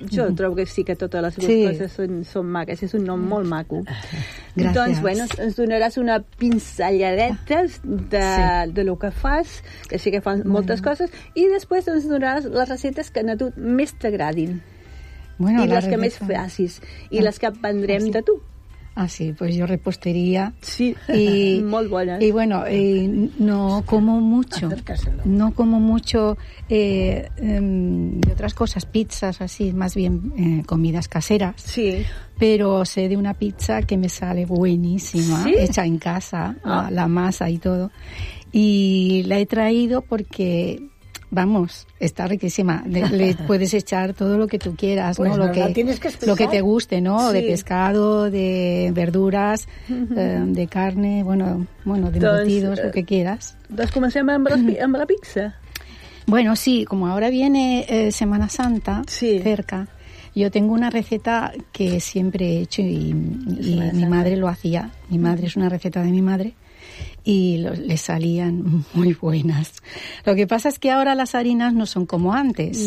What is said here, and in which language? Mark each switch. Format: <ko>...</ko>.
<ca>Jo trobo que sí, que totes les coses són maques, és un nom molt maco. Gràcies. Doncs, bueno, ens donaràs una pinzelladeta de lo que fas, que sí que fan moltes coses, i després ens donaràs les recetes que a tu més t'agradin. Bueno, i les que més facis, i les que aprendrem de tu.</ca> <es>Ah, sí, pues yo repostería.</es> <ca>Sí, y, molt bona.</ca> <es>Y bueno, y no como mucho. Acércaselo. No como mucho de otras cosas, pizzas así, más bien comidas caseras. Sí. Pero sé de una pizza que me sale buenísima, ¿sí? Hecha en casa, la masa y todo. Y la he traído porque... Vamos, está riquísima. Le puedes echar todo lo que tú quieras, pues ¿no? Lo que te guste, ¿no? Sí. De pescado, de verduras, de carne, bueno, de embutidos, lo que quieras. ¿Dos cómo se llama amb la pizza? Bueno, sí, como ahora viene Semana Santa, sí, cerca. Yo tengo una receta que siempre he hecho y mi madre lo hacía. Mi madre es una receta de mi madre. Y le salían muy buenas. Lo que pasa es que ahora las harinas no son como antes.</es>